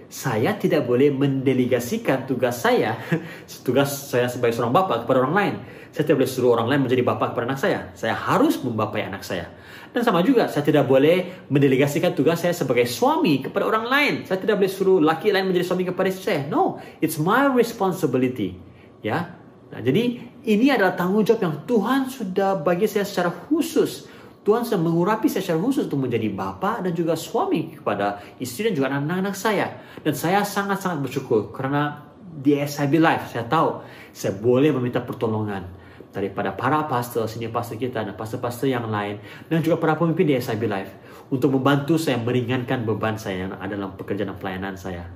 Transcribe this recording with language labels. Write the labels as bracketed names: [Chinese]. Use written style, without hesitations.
[Malay] Saya tidak boleh mendelegasikan tugas saya sebagai seorang bapa kepada orang lain. Saya tidak boleh suruh orang lain menjadi bapa kepada anak saya. Saya harus membapai anak saya. Dan sama juga, saya tidak boleh mendelegasikan tugas saya sebagai suami kepada orang lain. Saya tidak boleh suruh laki lain menjadi suami kepada istri saya. [English] No, it's my responsibility. [Malay] Ya. Nah, jadi ini adalah tanggung jawab yang Tuhan sudah bagi saya secara khusus. Tuhan sudah mengurapi saya secara khusus untuk menjadi bapa dan juga suami kepada istri dan juga anak-anak saya. Dan saya sangat-sangat bersyukur karena di SIB Life saya tahu saya boleh meminta pertolongan daripada para pastor, senior pastor kita dan pastor-pastor yang lain dan juga para pemimpin di SIB Life untuk membantu saya meringankan beban saya yang ada dalam pekerjaan dan pelayanan saya.